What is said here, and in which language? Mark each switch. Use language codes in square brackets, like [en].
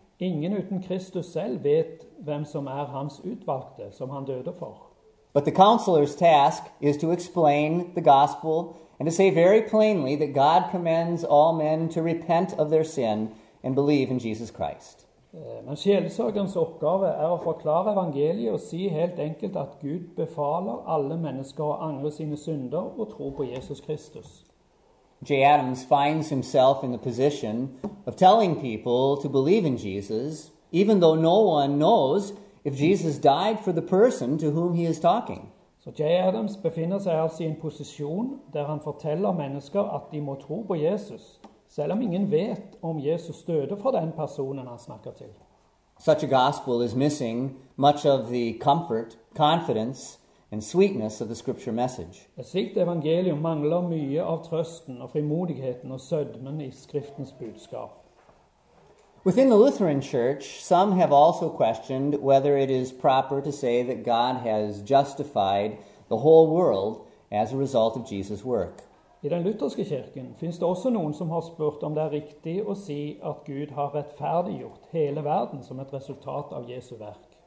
[no] Ingen uten Kristus selv vet hvem som er hans utvalgte som han døde for. [en] But the counselor's task is to explain the gospel and to say very plainly that God commands all men to repent of their sin and believe in Jesus Christ. [no] Men sjelesorgens oppgave er å forklare evangeliet og si helt enkelt at Gud befaler alle mennesker å angre sine synder og tro på Jesus Kristus. [en] J. Adams finds himself in the position of telling people to believe in Jesus, even though no one knows if Jesus died for the person to whom he is talking. [no] Så J. Adams befinner seg altså i en posisjon der han forteller mennesker at de må tro på Jesus, selv om ingen vet om Jesus døde for den personen han snakker til. [en] Such a gospel is missing much of the comfort, confidence, and sweetness of the scripture message. [no] Et slikt evangelium mangler mye av trøsten og frimodigheten og sødmen I skriftens budskap. [en] Within the Lutheran Church, some have also questioned whether it is proper to say that God has justified the whole world as a result of Jesus' work. [no] I den lutherske kirken finns det også noen som har spurt om det riktig å si at Gud har rettferdiggjort hele verden som et resultat av Jesu verk.